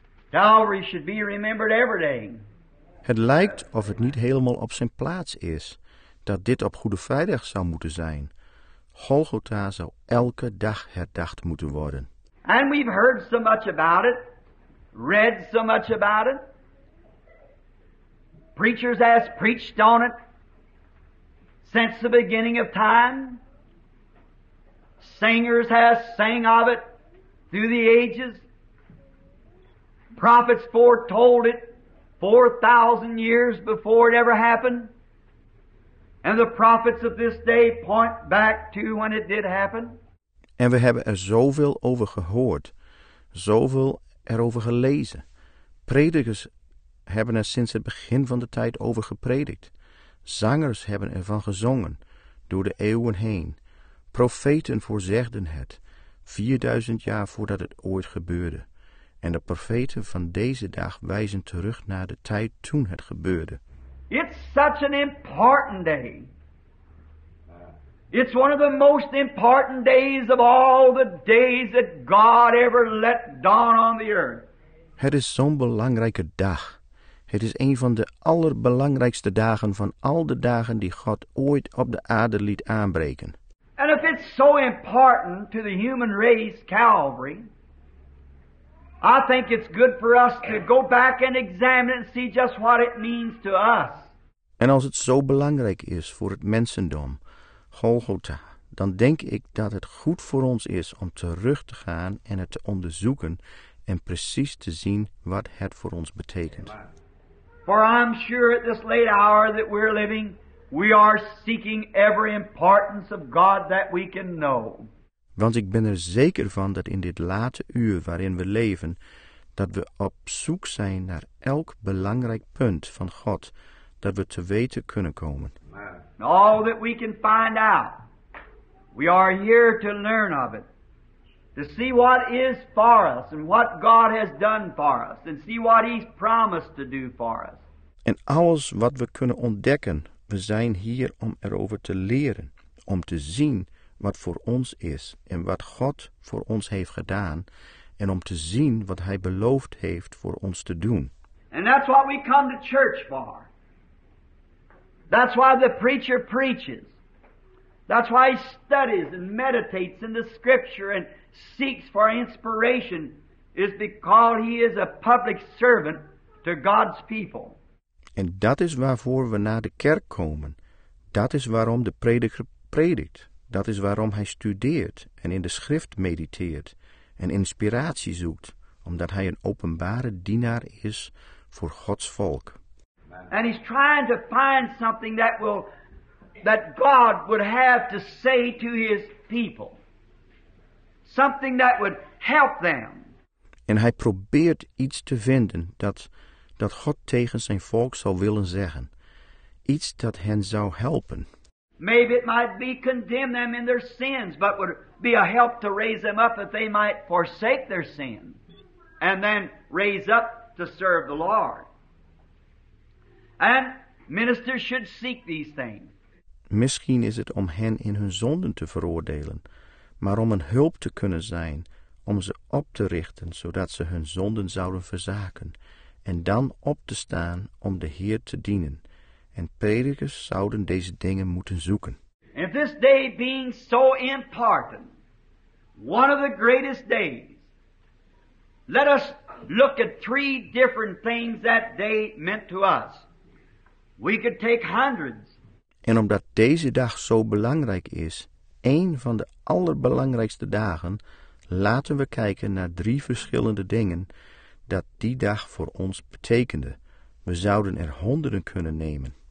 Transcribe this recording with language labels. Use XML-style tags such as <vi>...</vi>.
<en>Calvary should be remembered every day.</en> <nl>Het lijkt of het niet helemaal op zijn plaats is dat dit op Goede Vrijdag zou moeten zijn. Golgotha zou elke dag herdacht moeten worden.</nl> <en>And we've heard so much about it, read so much about it. Preachers have preached on it since the beginning of time. Singers have sang of it through the ages. Prophets foretold it 4,000 years before it ever happened. And the prophets of this day point back to when it did happen.</en> <nl>En we hebben er zoveel over gehoord, zoveel erover gelezen. Predikers hebben er sinds het begin van de tijd over gepredikt. Zangers hebben ervan gezongen, door de eeuwen heen. Profeten voorzegden het, 4000 jaar voordat het ooit gebeurde. En de profeten van deze dag wijzen terug naar de tijd toen het gebeurde.</nl> <en>It's such an important day. It's one of the most important days of all the days that God ever let dawn on the earth.</en> <nl>Het is zo'n belangrijke dag. Het is een van de allerbelangrijkste dagen van al de dagen die God ooit op de aarde liet aanbreken.</nl> <en>And if it's so important to the human race, Calvary, I think it's good for us to go back and examine it and see just what it means to us.</en> <nl>En als het zo belangrijk is voor het mensendom, Golgotha, dan denk ik dat het goed voor ons is om terug te gaan en het te onderzoeken en precies te zien wat het voor ons betekent.</nl> <en>For I'm sure at this late hour that we're living, we are seeking every importance of God that we can know.</en> <nl>Want ik ben er zeker van dat in dit late uur waarin we leven, dat we op zoek zijn naar elk belangrijk punt van God dat we te weten kunnen komen.</nl> <en>All that we can find out, we are here to learn of it, to see what is for us and what God has done for us, and see what He's promised to do for us.</en> <nl>En alles wat we kunnen ontdekken, we zijn hier om erover te leren, om te zien wat voor ons is en wat God voor ons heeft gedaan, en om te zien wat Hij beloofd heeft voor ons te doen.</nl> <en>And that's what we come to church for. That's why the preacher preaches. That's why he studies and meditates in the scripture and seeks for inspiration, is because he is a public servant to God's people.</en> <nl>En dat is waarvoor we naar de kerk komen. Dat is waarom de prediker predikt. Dat is waarom hij studeert en in de schrift mediteert en inspiratie zoekt, omdat hij een openbare dienaar is voor Gods volk.</nl> <en>And he's trying to find something that will, that God would have to say to his people. Something that would help them.</en> <nl>En hij probeert iets te vinden dat God tegen zijn volk zou willen zeggen. Iets dat hen zou helpen.</nl> <en>Maybe it might be condemn them in their sins, but would be a help to raise them up if they might forsake their sin. And then raise up to serve the Lord. And ministers should seek these things.</en> <nl>Misschien is het om hen in hun zonden te veroordelen, maar om een hulp te kunnen zijn, om ze op te richten, zodat ze hun zonden zouden verzaken, en dan op te staan om de Heer te dienen. En predikers zouden deze dingen moeten zoeken.</nl> <en>And this day being so important, one of the greatest days, let us look at three different things that day meant to us. We could take hundreds.</en> <nl>En omdat deze dag zo belangrijk is, één van de allerbelangrijkste dagen, laten we kijken naar drie verschillende dingen dat die dag voor ons betekende. We zouden er honderden kunnen nemen.</nl>